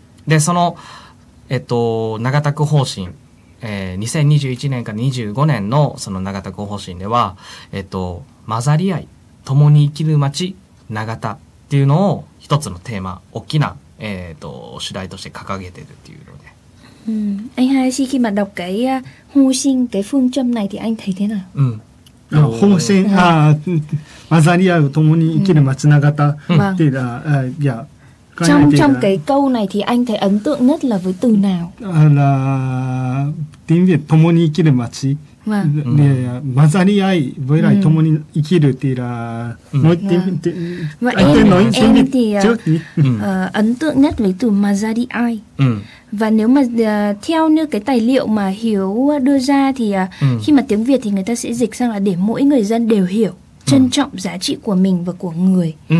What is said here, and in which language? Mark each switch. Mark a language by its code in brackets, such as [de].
[ja] で、その、長田区方針、2021年から25年のその長田区方針では、混ざり合い、共に生きる街、長田、っていうのを一つのテーマ、大きな、主題として掲げてるっていうので、 [vi] Anh Hayashi khi mà đọc cái方針、cái phương châm này thì anh thấy thế nào? [ja] 方針、混ざり合う共に生きる町長田っていうのは、 [vi] trong cái câu này thì anh thấy ấn tượng nhất là với từ nào? Là tiếng Việt, [ja] 共に生きる町。混ざり合い、 [vi] với lại [ja] 共に生きるっていうのは、 [vi] em thì ấn tượng nhất với từ 混ざり合い。 Và nếu mà theo như cái tài liệu mà Hiếu đưa ra thì khi mà tiếng Việt thì người ta sẽ dịch sang là để mỗi người dân đều hiểu, trân trọng giá trị của mình và của người.